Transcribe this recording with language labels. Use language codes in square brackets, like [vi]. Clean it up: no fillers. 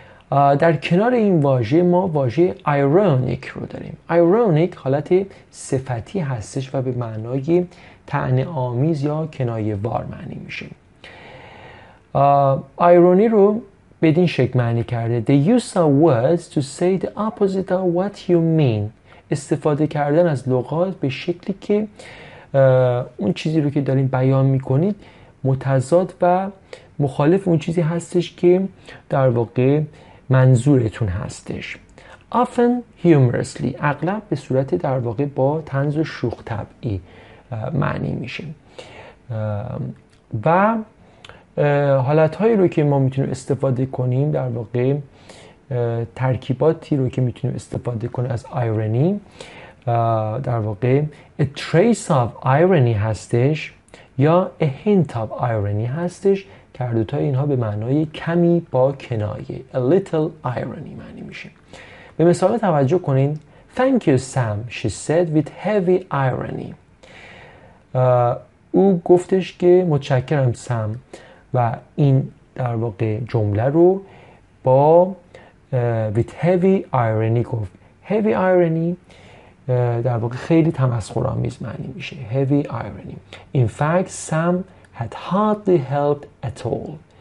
[fa] در کنار این واژه ما واژه ironic رو داریم. Ironic حالت صفتی هستش و به معنای طعنه آمیز یا کنایه وار معنی میشه. Irony رو بدین شکل معنی کرده. [en] They use the words to say the opposite of what you mean. [fa] استفاده کردن از لغات به شکلی که اون چیزی رو که دارین بیان میکنید متضاد و مخالف اون چیزی هستش که در واقع منظورتون هستش. [en] Often humorously [fa] اغلب به صورت در واقع با طنز و شوخ طبعی معنی میشه. و حالتهایی رو که ما میتونیم استفاده کنیم در واقع ترکیباتی رو که میتونیم استفاده کنیم از irony در واقع [en] a trace of irony [fa] هستش یا [en] a hint of irony [fa] هستش که هر دوتا اینها به معنای کمی با کنایه [en] a little irony [fa] معنی میشه. به مثال توجه کنین. [en] Thank you Sam, she said with heavy irony. [fa] او گفتش که متشکرم سم و این در واقع جمله رو با [en] with heavy irony [fa] گفت. Heavy irony در واقع خیلی تمسخرآمیز معنی میشه. [en] Heavy irony. In fact Sam had hardly helped at all.